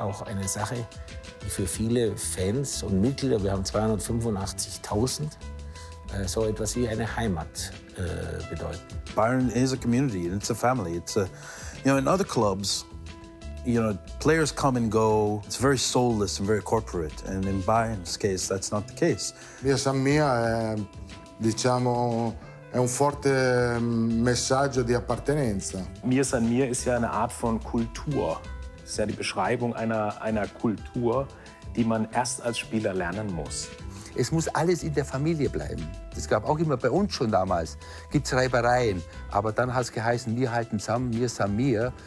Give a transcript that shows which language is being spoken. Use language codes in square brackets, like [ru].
[de] Auch eine Sache, die für viele Fans und Mitglieder, wir haben 285.000, so etwas wie eine Heimat bedeuten. [en] Bayern is a community, it's a family. It's a, you know, in other clubs, you know, players come and go. It's very soulless and very corporate. And in Bayern's case, that's not the case. [it] Mia San Mia è, diciamo, è un forte messaggio di appartenenza. [de] Mia San Mia ist ja eine Art von Kultur. Es ist ja die Beschreibung einer Kultur, die man erst als Spieler lernen muss. Es muss alles in der Familie bleiben. Das gab auch immer bei uns schon damals. Gibt's Reibereien. Aber dann hat es geheißen, wir halten zusammen, wir sind wir.